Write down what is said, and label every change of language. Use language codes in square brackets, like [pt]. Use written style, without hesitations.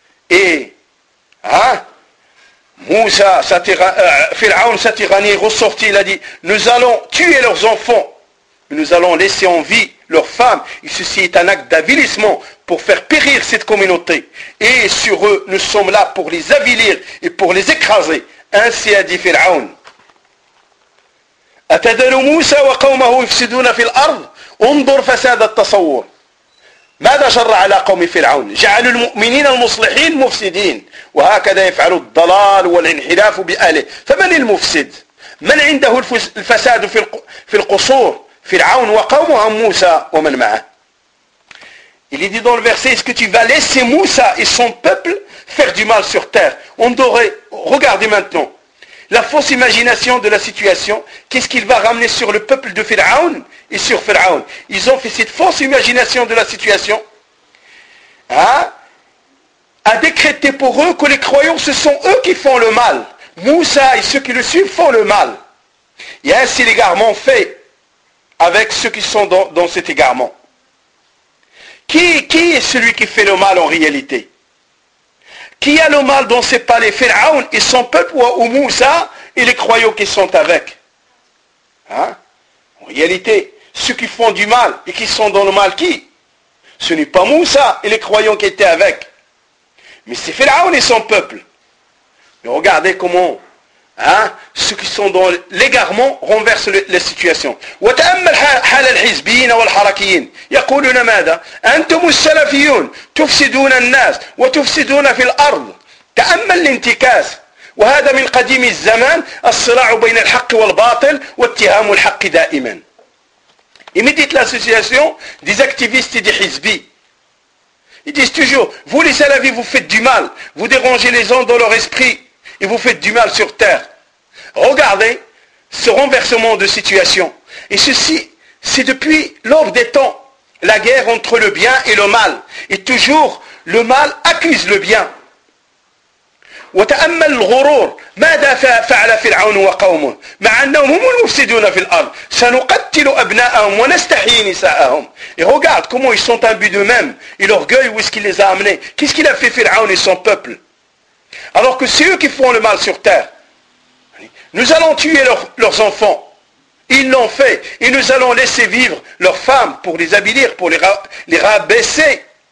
[fr] Et Moussa, Pharaon, sa tyrannie est ressorti, il a dit, nous allons tuer leurs enfants, nous allons laisser en vie leurs femmes, et ceci est un acte d'avilissement pour faire périr cette communauté, et sur eux nous sommes là pour les avilir et pour les écraser. Ainsi a dit Pharaon. [ar] أتذل موسى وقومه يفسدون في الأرض انظر فساد التصور ماذا جرى على قوم فرعون جعل المؤمنين المصلحين مفسدين وهكذا يفعل الضلال والانحراف بأهله فمن المفسد من عنده الفساد في القصور Pharaon وقومه موسى ومن معه. [fr] Il est dit dans le verset, est-ce que tu vas laisser Moussa et son peuple faire du mal sur terre? On devrait regarder maintenant la fausse imagination de la situation. Qu'est-ce qu'il va ramener sur le peuple de Pharaon et sur Pharaon? Ils ont fait cette fausse imagination de la situation. Hein? A décrété pour eux que les croyants, ce sont eux qui font le mal. Moussa et ceux qui le suivent font le mal. Et ainsi l'égarement fait avec ceux qui sont dans cet égarement. Qui est celui qui fait le mal en réalité? Qui a le mal dans ses palais? Pharaon et son peuple ou Moussa et les croyants qui sont avec? Hein? En réalité, ceux qui font du mal et qui sont dans le mal, qui? Ce n'est pas Moussa et les croyants qui étaient avec. Mais c'est Pharaon et son peuple. Mais regardez comment hein, ceux qui sont dans l'égarement renversent la situation. [ar] وتأمل حال الحزبين والحركيين يقولون ماذا أنتم السلفيون تفسدون الناس وتفسدون في الأرض. تأمل الانتكاس وهذا من قديم الزمان الصراع بين الحق والباطل واتهام الحق دائما. [fr] Imitez l'association des activistes et des hizbi. Ils disent toujours, vous les salafis, vous faites du mal, vous dérangez les gens dans leur esprit et vous faites du mal sur terre. Regardez ce renversement de situation. Et ceci, c'est depuis l'aube des temps, la guerre entre le bien et le mal. Et toujours, le mal accuse le bien. [ar] وتأمل الغرور ماذا فعل فرعون وقومه مع أنهم هم المفسدون في الأرض سنقتل أبناءهم ونستحيي نساءهم. [fr] Et regarde comment ils sont imbus d'eux-mêmes et l'orgueil, où est-ce qu'il les a amenés? Qu'est-ce qu'il a fait Pharaon et son peuple? Alors que c'est eux qui font le mal sur terre. Nous allons tuer leurs enfants. Ils l'ont fait. Et nous allons laisser vivre leurs femmes pour les habiller, pour les rabaisser.